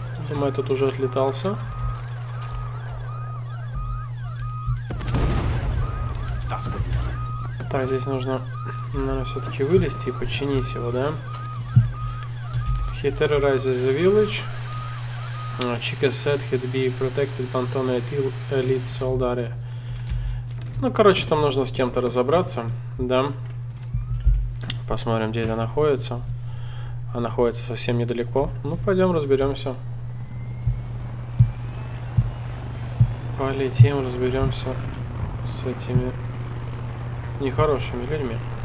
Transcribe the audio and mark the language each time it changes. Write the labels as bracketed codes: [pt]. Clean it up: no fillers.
[ru] Думаю, этот уже отлетался. Так, здесь нужно, наверное, все-таки вылезти и починить его, да? [en] He terrorizes the village. Chica said he'd be protected by Antonio Elite Soldare. [ru] Ну, короче, там нужно с кем-то разобраться, да? Посмотрим, где это находится. А находится совсем недалеко. Ну, пойдем разберемся. Полетим, разберемся с этими нехорошими людьми.